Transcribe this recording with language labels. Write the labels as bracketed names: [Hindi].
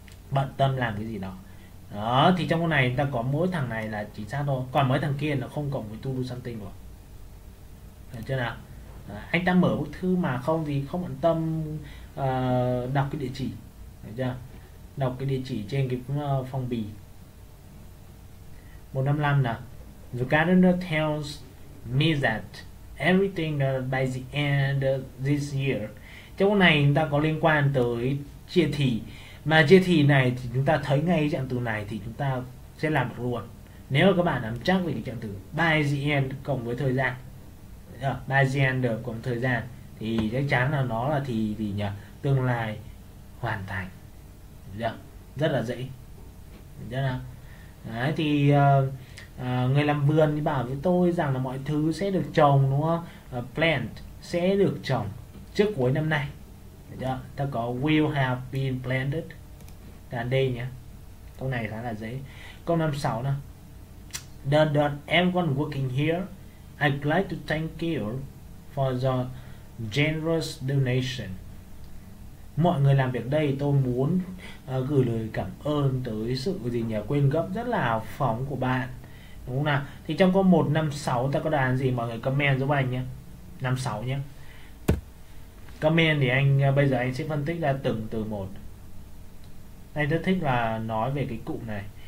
[Vietnamese] Bận tâm làm cái gì đó. Đó, thì trong cái này ta có mỗi thằng này là chính xác thôi, còn mấy thằng kia nó không cộng với [English] to do something [Vietnamese] rồi. Được chưa nào? Đó, anh ta mở bức thư mà không thì không bận tâm đọc cái địa chỉ. Được chưa? Đọc cái địa chỉ trên cái phong bì. 155 nào. [English] The gardener tells me that everything by the end of this year. [Vietnamese] Trong này chúng ta có liên quan tới chia thì, mà chia thì này thì chúng ta thấy ngay cái dạng từ này thì chúng ta sẽ làm được luôn nếu mà các bạn nắm chắc về cái dạng từ by the end cộng với thời gian. Được chưa? By the end cộng thời gian thì chắc chắn là nó là thì gì nhỉ, tương lai hoàn thành. Được chưa? Rất là dễ. Được chưa nào? Đấy, thì người làm vườn thì bảo với tôi rằng là mọi thứ sẽ được trồng đúng không? Plant sẽ được trồng trước cuối năm nay. Được chưa? Ta có [English] will have been planted. [Vietnamese] Đàn D nhé. Câu này khá là dễ. Câu 56 nè. [English] Does everyone working here? I'd like to thank you for the generous donation. [Vietnamese] Mọi người làm việc đây tôi muốn gửi lời cảm ơn tới sự gì nhỉ, quyên góp rất là hào phóng của bạn. Đúng không nào? Thì trong câu 156 ta có đàn gì, mọi người comment giúp anh nhé. 56 nhé. Comment thì anh bây giờ anh sẽ phân tích ra từng từ một. Anh rất thích là nói về cái cụm này.